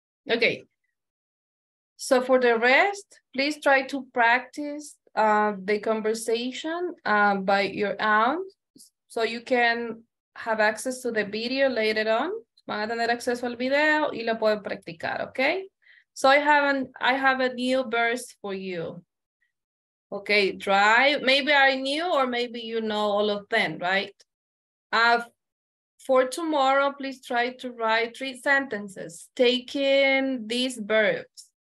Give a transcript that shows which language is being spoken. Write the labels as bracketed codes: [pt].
[en] Okay, so for the rest, please try to practice the conversation by your own, so you can have access to the video later on. [es] Van a tener acceso al video y lo pueden practicar, okay? [en] So I have a new verse for you. Okay, drive. Maybe I knew, or maybe you know all of them, right? For tomorrow, please try to write 3 sentences taking these verbs.